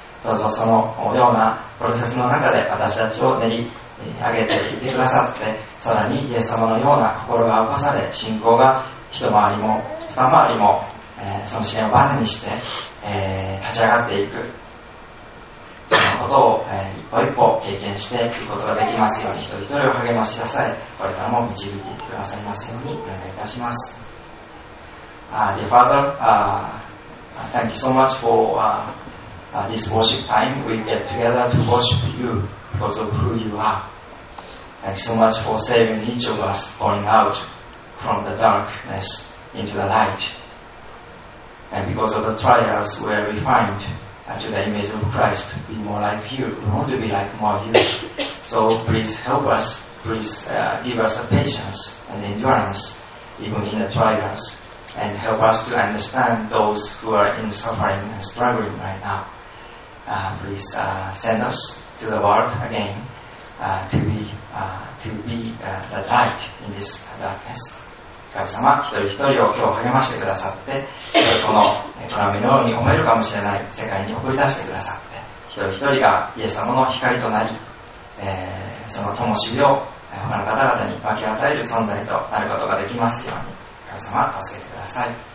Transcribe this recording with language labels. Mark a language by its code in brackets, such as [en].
[ja] どうぞそのようなプロセスの中で私たちを練り上げていってくださって、さらにイエス様のような心が起こされ、信仰が一回りも二回りも、その支援をバネにして、立ち上がっていく、そのことを、一歩一歩経験していくことができますように、一人一人を励まし出され、これからも導いていってくださいますようにお願いいたします。 [en] Dear Father, thank you so much for this worship time we get together to worship you because of who you are. Thank you so much for saving each of us, going out from the darkness into the light. And because of the trials where we find to the image of Christ, be more like you, we want to be like more of you. So please help us, please give us the patience and endurance, even in the trials, and help us to understand those who are in suffering and struggling right now. Please send us to the world again to be the light in this darkness. [ja] 神様、一人一人を今日励ましてくださって、このトラムのように思えるかもしれない世界に送り出してくださって、一人一人がイエス様の光となり、その灯火を他の方々に分け与える存在となることができますように、神様助けてください。